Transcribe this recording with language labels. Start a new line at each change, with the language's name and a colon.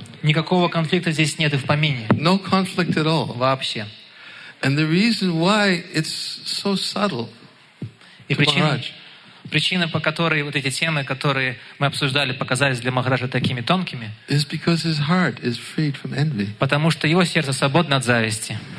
Russian: Никакого конфликта здесь нет и в помине.
English: No conflict at all.
Russian: Вообще.
English: And the reason why it's so subtle.
Russian: И причина, по которой вот эти темы, которые мы обсуждали, показались для Махараджа такими тонкими,
English: is because his heart is freed from envy.
Russian: Потому что его сердце свободно от зависти.